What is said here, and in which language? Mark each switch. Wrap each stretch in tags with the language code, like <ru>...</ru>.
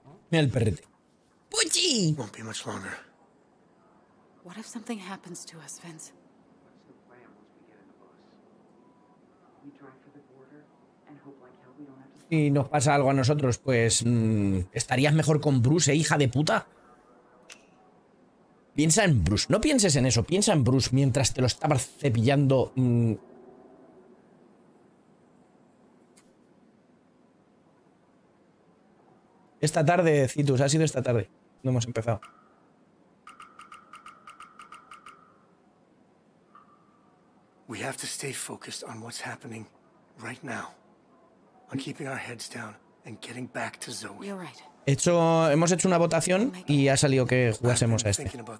<es>Mira el perrete. ¡Puchi!</es> <en>Won't be much longer. What if something happens to us, Vince? What's the plan once we get in the bus? We drive for the border and hope like hell we don't have to.</en> <es>Si nos pasa algo a nosotros, pues estarías mejor con Bruce, hija de puta. Piensa en Bruce. No pienses en eso. Piensa en Bruce mientras te lo estabas cepillando. Esta tarde, Citus, ha sido esta tarde. No hemos empezado.</es> <en>We have to stay focused on what's happening right now. On keeping our heads down and getting back to Zoe. You're right.</en> <es>Hemos hecho una votación y ha salido que jugásemos a este.</es>